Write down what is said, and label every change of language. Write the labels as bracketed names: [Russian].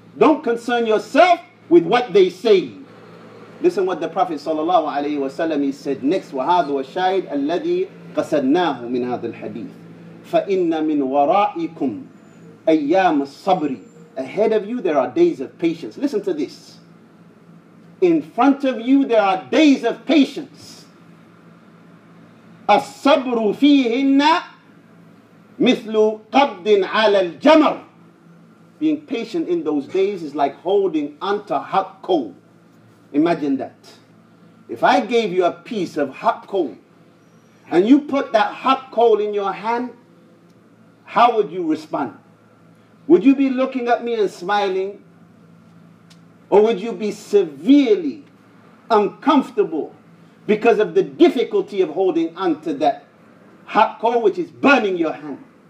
[English] Don't concern yourself with what they say. Listen what the Prophet sallallahu alayhi wa sallam, he said next, [Arabic] وَهَذُ وَشَاهِدَ الَّذِي قَسَدْنَاهُ مِنْ هَذَا الْحَدِيثِ. فَإِنَّ مِنْ وَرَائِكُمْ أَيَّامُ الصَّبْرِ. [English] Ahead of you there are days of patience. Listen to this. In front of you there are days of patience. [Arabic] الصبر فيهن مثل قبض على الجمر. [English] Being patient in those days is like holding onto hot coal. Imagine that. If I gave you a piece of hot coal and you put that hot coal in your hand, how would you respond? Would you be looking at me and smiling? Or would you be severely uncomfortable because of the difficulty of holding onto that hot coal which is burning your hand?